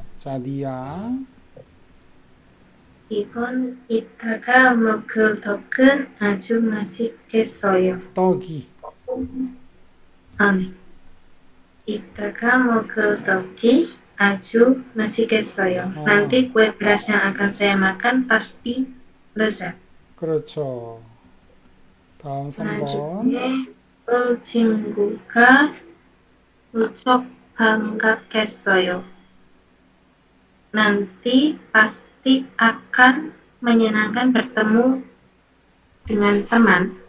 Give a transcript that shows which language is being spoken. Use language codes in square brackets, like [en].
[ko] 자, 니아. 이번 이따가 먹을 떡은 아주 맛있겠어요. 떡이. 아니. 이따가 먹을 떡이 아주 맛있겠어요. [id] Nanti kue beras yang akan saya makan pasti lezat. [ko] 그렇죠. 다음 3번. 나중에 볼 친구가 무척 반갑겠어요. [id] Nanti pasti akan menyenangkan bertemu dengan teman.